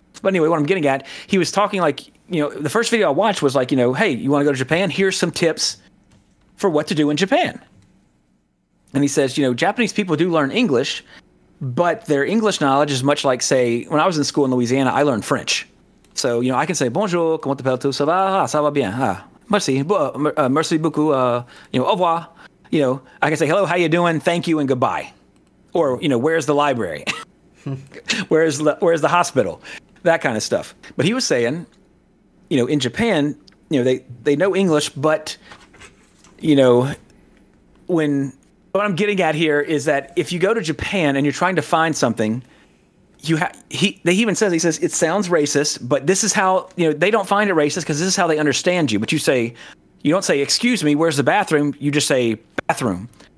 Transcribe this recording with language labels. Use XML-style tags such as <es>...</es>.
<en>But anyway, what I'm getting at, he was talking like, you know, the first video I watched was like, you know, hey, you want to go to Japan? Here's some tips for what to do in Japan. And he says, you know, Japanese people do learn English, but their English knowledge is much like, say, when I was in school in Louisiana, I learned French. So, you know, I can say,</en> <fr>bonjour, comment t'appelles-tu, ça va bien, ah, merci, merci beaucoup,</fr> <en>you know,</en> <fr>au revoir.</fr> <en>You know, I can say, hello, how you doing, thank you, and goodbye. Or, you know, where's the library? where's the hospital? That kind of stuff. But he was saying, you know, in Japan, you know, they know English, but, you know, what I'm getting at here is that if you go to Japan and you're trying to find something, he says it sounds racist, but this is how, you know, they don't find it racist because this is how they understand you. But you don't say, excuse me, where's the bathroom? You just say bathroom.</en>